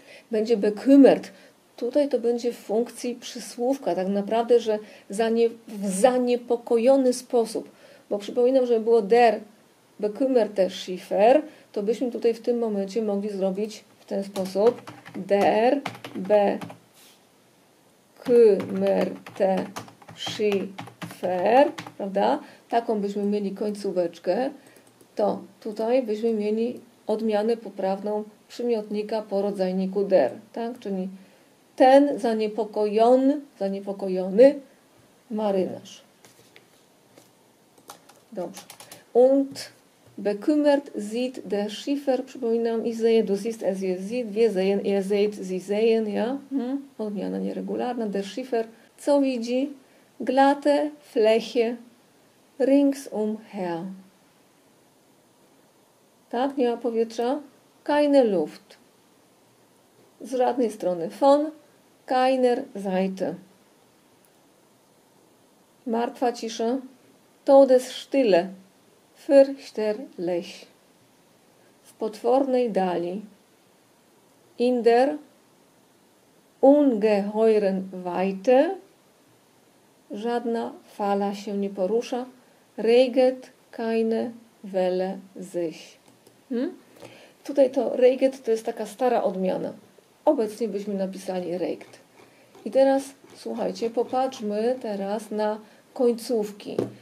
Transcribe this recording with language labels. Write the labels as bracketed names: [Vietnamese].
[Polish] Będzie bekümmert. Tutaj to będzie w funkcji przysłówka, tak naprawdę, że w zaniepokojony sposób. Bo przypominam, że było [German] der bekümmerte Schiffer, [Polish] to byśmy tutaj w tym momencie mogli zrobić w ten sposób. [German] Der bekümmerte Schiffer, [Polish] prawda? Taką byśmy mieli końcóweczkę. To tutaj byśmy mieli odmianę poprawną przymiotnika po rodzajniku der, tak? Czyli ten zaniepokojony marynarz. Dobrze. [German] Und bekümmert sieht der Schiffer, [Polish] przypominam, [German] ich sehe, du siehst, es ist sieht, wir sehen, ihr seht, sie sehen, ja? [Polish] Odmiana nieregularna, [German] der Schiffer. [Polish] Co widzi? [German] Glatte Fläche ringsumher. [Polish] Tak, nie ma powietrza? [German] Keine Luft. [Polish] Z żadnej strony. [German] Von keiner Seite. [Polish] Martwa cisza. [German] Todesstille. Fürchterlich. [Polish] W potwornej dali. [German] In der ungeheuren Weite. [Polish] Żadna fala się nie porusza. [German] Reget keine Welle sich. [Polish] Tutaj to reget to jest taka stara odmiana. Obecnie byśmy napisali regt. I teraz, słuchajcie, popatrzmy teraz na końcówki.